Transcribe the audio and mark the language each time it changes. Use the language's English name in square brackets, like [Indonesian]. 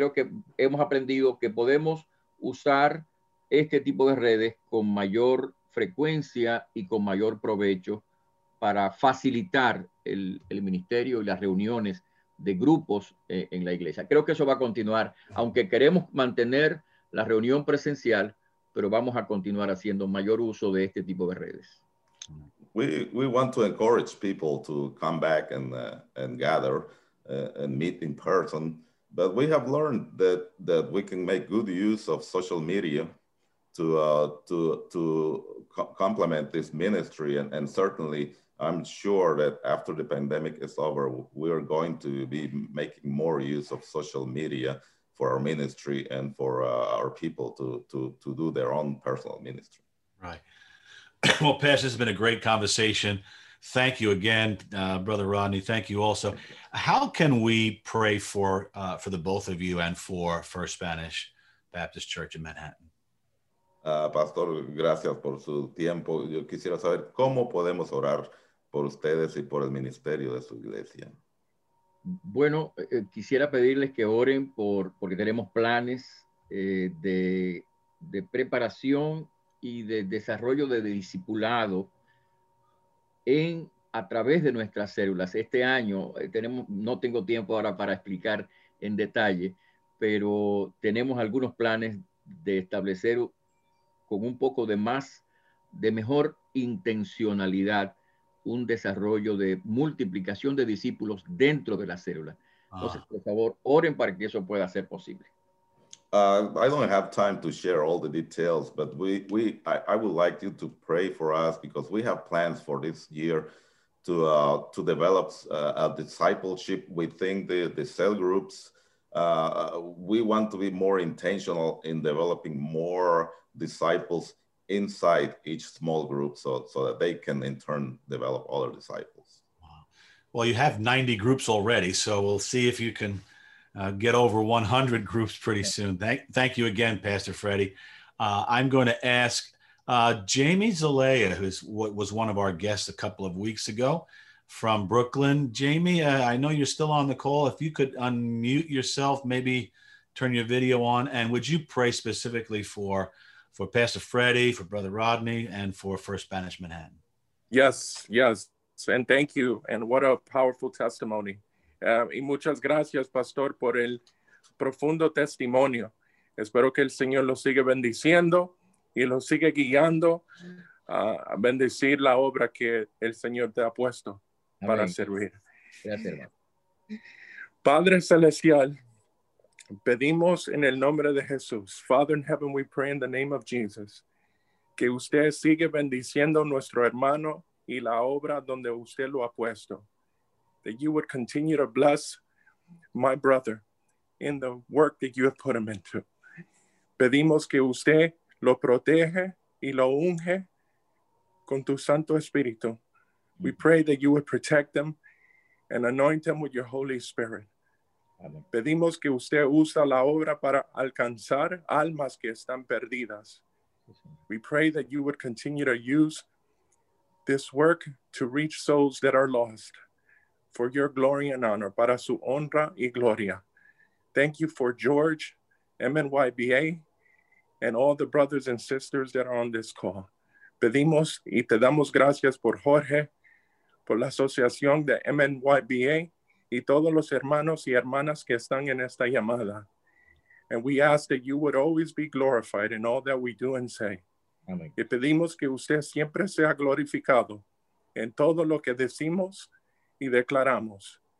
[Spanish] Creo que hemos aprendido que podemos usar este tipo de redes con mayor frecuencia y con mayor provecho para facilitar el ministerio y las reuniones de grupos en la iglesia. Creo que eso va a continuar, aunque queremos mantener la reunión presencial, pero vamos a continuar haciendo mayor uso de este tipo de redes. [English] We want to encourage people to come back and gather and meet in person, but we have learned that we can make good use of social media to complement this ministry, and certainly I'm sure that after the pandemic is over, we are going to be making more use of social media for our ministry and for our people to do their own personal ministry. Right. Well, Pastor, this has been a great conversation. Thank you again, Brother Rodney. Thank you also. How can we pray for the both of you and for First Spanish Baptist Church in Manhattan? [Spanish] Pastor, gracias por su tiempo. Yo quisiera saber cómo podemos orar por ustedes y por el ministerio de su iglesia. Bueno, quisiera pedirles que oren porque tenemos planes de preparación y de desarrollo de discipulado a través de nuestras células. Este año no tengo tiempo ahora para explicar en detalle, pero tenemos algunos planes de establecer con un poco de mejor intencionalidad un desarrollo de multiplicación de discípulos dentro de la célula. Entonces, por favor, oren para que eso pueda ser posible. [English] I don't have time to share all the details, but I would like you to pray for us, because we have plans for this year to develop a discipleship within the cell groups. We want to be more intentional in developing more disciples inside each small group so that they can in turn develop other disciples. Well, you have 90 groups already, so we'll see if you can get over 100 groups pretty soon. Thank you again, Pastor Freddie. I'm going to ask Jamie Zelaya, who was one of our guests a couple of weeks ago, from Brooklyn. Jamie, I know you're still on the call. If you could unmute yourself, maybe turn your video on. And would you pray specifically for Pastor Freddie, for Brother Rodney, and for First Spanish Manhattan? Yes, yes. And thank you. And what a powerful testimony. [Spanish] Y muchas gracias, Pastor, por el profundo testimonio. Espero que el Señor lo siga bendiciendo y lo siga guiando a bendecir la obra que el Señor te ha puesto para servir. Gracias. Padre Celestial, pedimos en el nombre de Jesús. [English] Father in heaven, we pray in the name of Jesus. [Spanish] Que usted sigue bendiciendo nuestro hermano y la obra donde usted lo ha puesto. [English] That you would continue to bless my brother in the work that you have put him into. [Spanish] Pedimos que usted lo protege y lo unge con tu Santo Espíritu. [English] We pray that you would protect them and anoint them with your Holy Spirit. Amen. [Spanish] Pedimos que usted usa la obra para alcanzar almas que están perdidas. [English] We pray that you would continue to use this work to reach souls that are lost for your glory and honor, [Spanish] para su honra y gloria. [English] Thank you for George, MNYBA, and all the brothers and sisters that are on this call. [Spanish] Pedimos y te damos gracias por Jorge, por la asociación de MNYBA y todos los hermanos y hermanas que están en esta llamada. [English] And we ask that you would always be glorified in all that we do and say. Amen. [Spanish] Y pedimos que usted siempre sea glorificado en todo lo que decimos y declaramos.